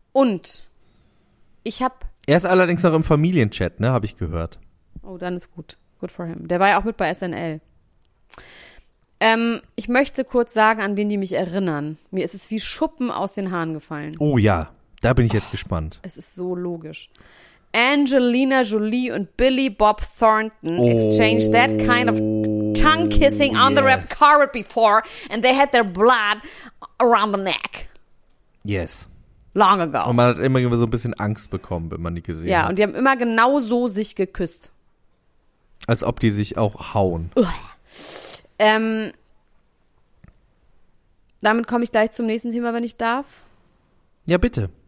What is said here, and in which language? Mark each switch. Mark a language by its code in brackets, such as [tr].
[de] Und ich habe. Er ist allerdings noch im Familienchat, ne, habe ich gehört. Oh, dann ist gut. [en] Good for him. [de] Der war ja auch mit bei SNL. Ich möchte kurz sagen, an wen die mich erinnern. Mir ist es wie Schuppen aus den Haaren gefallen. Oh ja, da bin ich jetzt gespannt. Es ist so logisch. [en] Angelina Jolie und Billy Bob Thornton exchanged that kind of tongue-kissing on the red carpet before and they had their blood around the neck. Yes. Long ago. [de] Und man hat immer so ein bisschen Angst bekommen, wenn man die gesehen hat. Ja, und die haben immer genau so sich geküsst. Als ob die sich auch hauen. Damit komme ich gleich zum nächsten Thema, wenn ich darf. Ja, bitte.